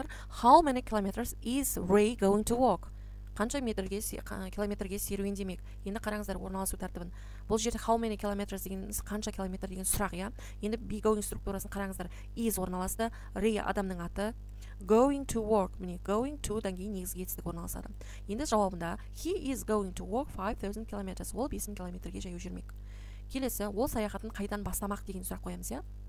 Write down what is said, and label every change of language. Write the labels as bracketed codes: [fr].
[en] How many kilometers is Ray going to walk? [kk] қанша метрге километрге серуен демек. Енді қараңыздар орналасу тәртібін. Бұл жерде [en] how many kilometers [kk] дегеніңіз қанша километр деген сұрақ, иә. Енді be going структурасын қараңыздар. Is орналасты, re адамның аты. [en] Going to work, [kk] міне, going to деген негізге етістік орналасады. Енді жауабында [en] he is going to walk 5000 kilometers. [kk] Ол 5000 километрге жаяу жүрмек. Келесі, ол саяхатын қайдан бастамақ деген сұрақ қоямыз, иә.